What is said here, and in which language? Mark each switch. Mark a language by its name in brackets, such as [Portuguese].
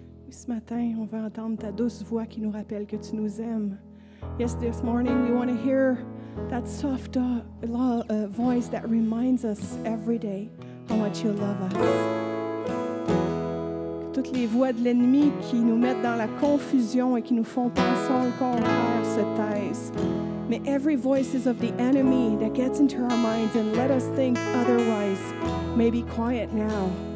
[French] Ce matin, on veut entendre ta douce voix qui nous rappelle que tu nous aimes. [English] Yes, this morning we want to hear that soft voice that reminds us every day how much you love us. [French] Toutes les voix de l'ennemi qui nous mettent dans la confusion et qui nous font penser au contraire se taisent. [English] May every voices of the enemy that gets into our minds and let us think otherwise may be quiet now.